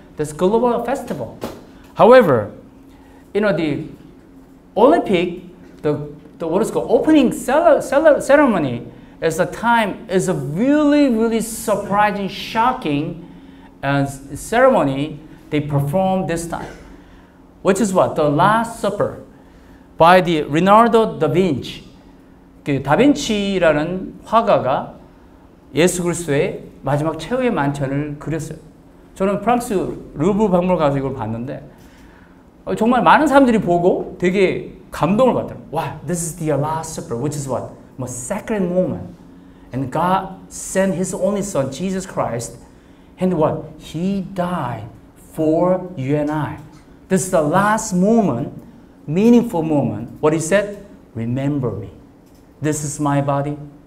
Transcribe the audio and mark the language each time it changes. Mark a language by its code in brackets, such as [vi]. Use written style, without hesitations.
[en] This global festival. However, you know, the Olympic, the what is called opening ceremony is a time, is a really, really surprising, shocking, and ceremony they perform this time, which is what? The Last Supper by the Leonardo da Vinci. [ko] 그 다빈치라는 화가가 예수 그리스도의 마지막 최후의 만찬을 그렸어요. 저는 프랑스 루브르 박물관 가서 이걸 봤는데 정말 많은 사람들이 보고 되게 감동을 받더라고요. [en] Wow, this is the Last Supper, which is what? My sacred moment. And God sent His only Son, Jesus Christ. And what? He died for you and I. This is the last moment, meaningful moment. What He said? Remember me. This is my body.